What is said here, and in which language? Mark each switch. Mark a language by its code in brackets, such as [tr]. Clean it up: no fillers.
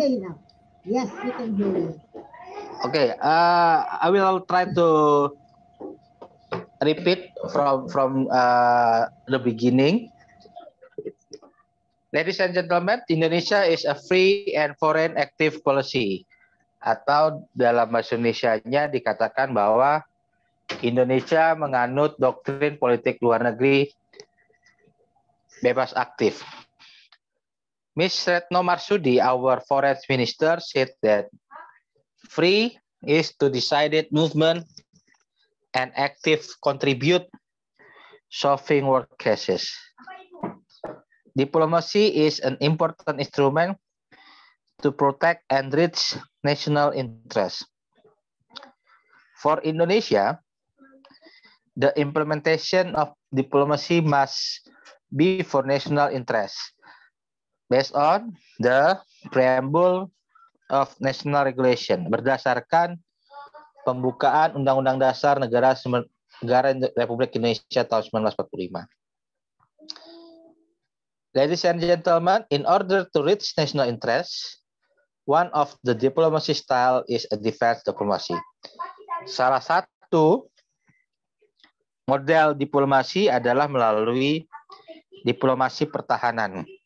[en] Okay, now. Yes, we can hear you. Okay, I will try to repeat from the beginning. Ladies and gentlemen, Indonesia is a free and foreign active policy. [id] Atau dalam bahasa Indonesia-nya dikatakan bahwa Indonesia menganut doktrin politik luar negeri bebas aktif. [en] Ms. Retno Marsudi, our foreign minister, said that free is to decided movement and active contribute solving world cases. Diplomacy is an important instrument to protect and reach national interests. For Indonesia, the implementation of diplomacy must be for national interests based on the preamble of national regulation, [id] berdasarkan pembukaan Undang-Undang Dasar Negara Republik Indonesia tahun 1945. [en] Ladies and gentlemen, in order to reach national interest, one of the diplomacy style is a defense diplomacy. [id] Salah satu model diplomasi adalah melalui diplomasi pertahanan.